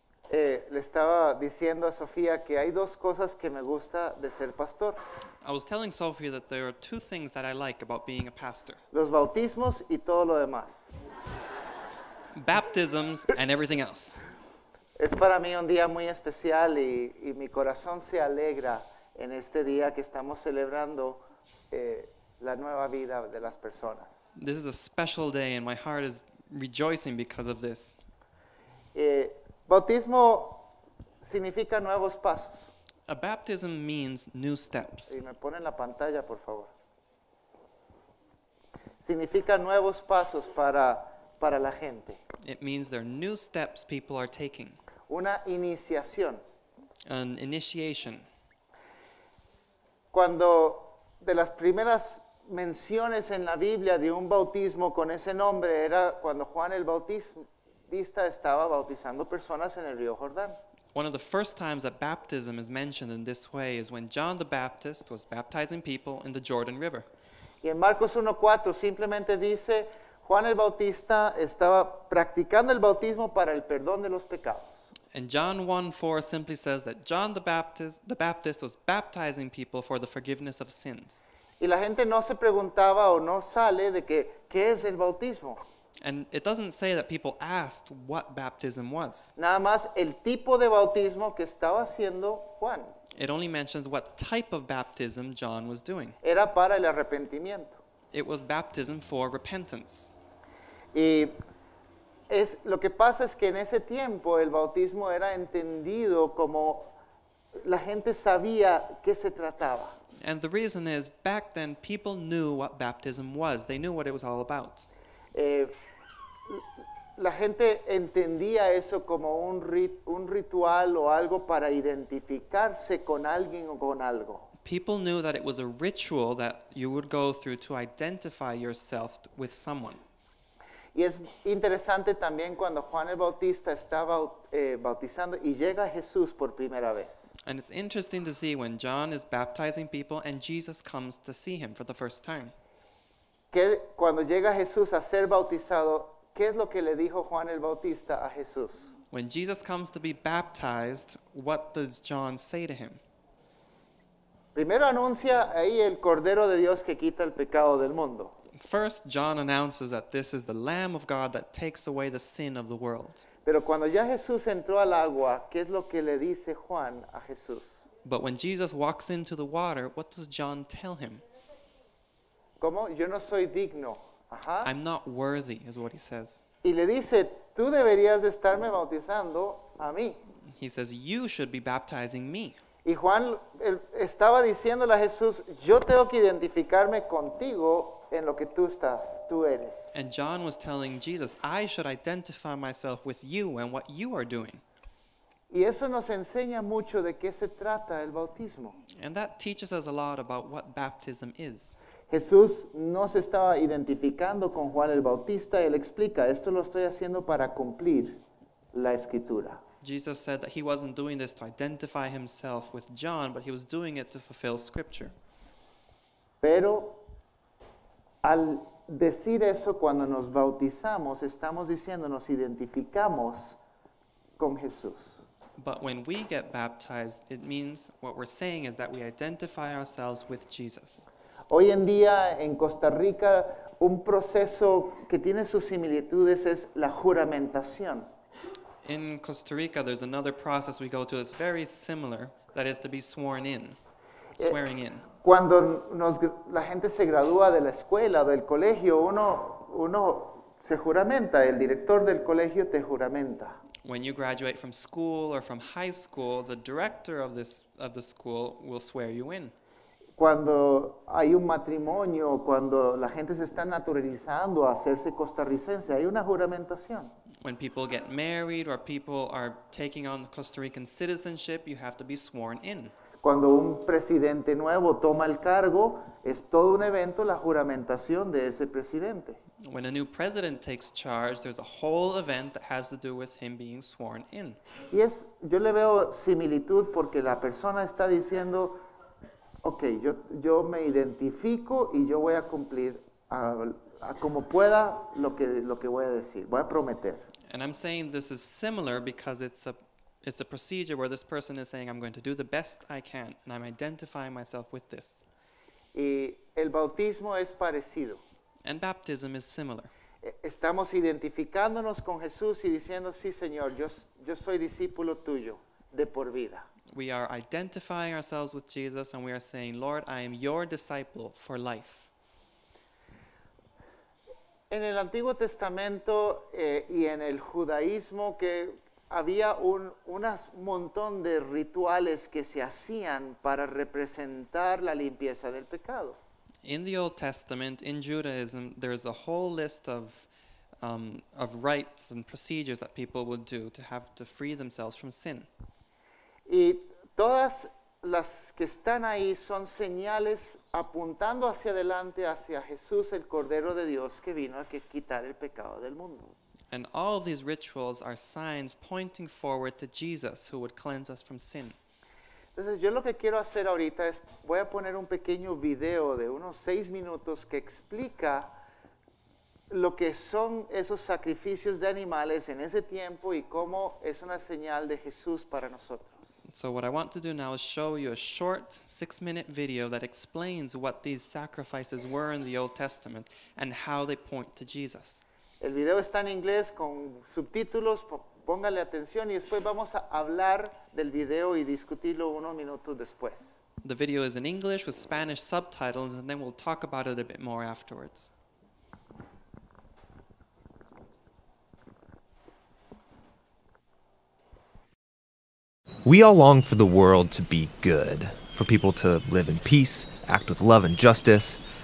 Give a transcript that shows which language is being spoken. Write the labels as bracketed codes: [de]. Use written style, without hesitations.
[es] Le estaba diciendo a Sofía que hay dos cosas que me gusta de ser pastor. [en] I was telling Sophie that there are two things that I like about being a pastor. [es] Los bautismos y todo lo demás. [en] Baptisms and everything else. [es] Es para mí un día muy especial y mi corazón se alegra en este día que estamos celebrando la nueva vida de las personas. [en] This is a special day and my heart is rejoicing because of this. [es] Bautismo significa nuevos pasos. [en] A baptism means new steps. [es] Y me ponen la pantalla, por favor. Significa nuevos pasos para la gente. [en] It means there are new steps people are taking. [es] Una iniciación. [en] An initiation. [es] Cuando de las primeras menciones en la Biblia de un bautismo con ese nombre era cuando Juan el Bautista estaba bautizando personas en el río Jordán. [en] One of the first times that baptism is mentioned in this way is when John the Baptist was baptizing people in the Jordan River. [es] Y en Marcos 1:4 simplemente dice Juan el Bautista estaba practicando el bautismo para el perdón de los pecados. [en] And John 1:4 simply says that John the Baptist was baptizing people for the forgiveness of sins. [es] Y la gente no se preguntaba o no sale de que qué es el bautismo. [en] And it doesn't say that people asked what baptism was. [es] Nada más el tipo de bautismo que estaba haciendo Juan. [en] It only mentions what type of baptism John was doing. [es] Era para el arrepentimiento. [en] It was baptism for repentance. [es] Y lo que pasa es que en ese tiempo el bautismo era entendido como la gente sabía qué se trataba. [en] And the reason is, back then, people knew what baptism was. They knew what it was all about. [es] La gente entendía eso como un ritual o algo para identificarse con alguien o con algo. [en] People knew that it was a ritual that you would go through to identify yourself with someone. [es] Y es interesante también cuando Juan el Bautista estaba bautizando y llega Jesús por primera vez. [en] And it's interesting to see when John is baptizing people and Jesus comes to see him for the first time. [es] ¿Qué, cuando llega Jesús a ser bautizado, qué es lo que le dijo Juan el Bautista a Jesús? [en] When Jesus comes to be baptized, what does John say to him? [es] Primero anuncia ahí el Cordero de Dios que quita el pecado del mundo. [en] First, John announces that this is the Lamb of God that takes away the sin of the world. [es] Pero cuando ya Jesús entró al agua, ¿qué es lo que le dice Juan a Jesús? [en] But when Jesus walks into the water, what does John tell him? [es] ¿Cómo? Yo no soy digno. [en] I'm not worthy, is what he says. [es] Y le dice, tú deberías de estarme bautizando a mí. [en] He says, you should be baptizing me. [es] Y Juan estaba diciéndole a Jesús, yo tengo que identificarme contigo en lo que tú estás, tú eres. [en] And John was telling Jesus, I should identify myself with you and what you are doing. [es] Y eso nos enseña mucho de qué se trata el bautismo. [en] And that teaches us a lot about what baptism is. [es] Jesús no se estaba identificando con Juan el Bautista. Él explica, esto lo estoy haciendo para cumplir la Escritura. [en] Jesus said that he wasn't doing this to identify himself with John, but he was doing it to fulfill Scripture. [es] Pero al decir eso, cuando nos bautizamos, estamos diciendo, nos identificamos con Jesús. [en] But when we get baptized, it means what we're saying is that we identify ourselves with Jesus. [es] Hoy en día, en Costa Rica, un proceso que tiene sus similitudes es la juramentación. [en] In Costa Rica, there's another process we go to that's very similar, that is to be sworn in, swearing in. [es] Cuando la gente se gradúa de la escuela o del colegio, uno se juramenta, el director del colegio te juramenta. [en] When you graduate from school or from high school, the director of the school will swear you in. [es] Cuando hay un matrimonio, cuando la gente se está naturalizando a hacerse costarricense, hay una juramentación. [en] When people get married or people are taking on the Costa Rican citizenship, you have to be sworn in. [es] Cuando un presidente nuevo toma el cargo, es todo un evento la juramentación de ese presidente. [en] When a new president takes charge, there's a whole event that has to do with him being sworn in. [es] Y es, yo le veo similitud porque la persona está diciendo, okay, yo me identifico y yo voy a cumplir como pueda lo que voy a decir, voy a prometer. [en] And I'm saying this is similar because it's a procedure where this person is saying, I'm going to do the best I can, and I'm identifying myself with this. [es] Y el bautismo es parecido. [en] And baptism is similar. [es] Estamos identificándonos con Jesús y diciendo, sí, Señor, yo soy discípulo tuyo de por vida. [en] We are identifying ourselves with Jesus and we are saying, Lord, I am your disciple for life. [es] En el Antiguo Testamento y en el judaísmo que había un montón de rituales que se hacían para representar la limpieza del pecado. [en] In the Old Testament, in Judaism, there is a whole list of rites and procedures that people would do to have to free themselves from sin. [es] Y todas las que están ahí son señales apuntando hacia adelante, hacia Jesús, el Cordero de Dios, que vino a quitar el pecado del mundo. [en] And all of these rituals are signs pointing forward to Jesus, who would cleanse us from sin. [es] Entonces, yo lo que quiero hacer ahorita es, voy a poner un pequeño video de unos 6 minutos que explica lo que son esos sacrificios de animales en ese tiempo y cómo es una señal de Jesús para nosotros. [en] So what I want to do now is show you a short 6-minute video that explains what these sacrifices were in the Old Testament and how they point to Jesus. [es] El video está en inglés con subtítulos, póngale atención y después vamos a hablar del video y discutirlo unos minutos después. [en] The video is in English with Spanish subtitles and then we'll talk about it a bit more afterwards. We all long for the world to be good, for people to live in peace, act with love and justice.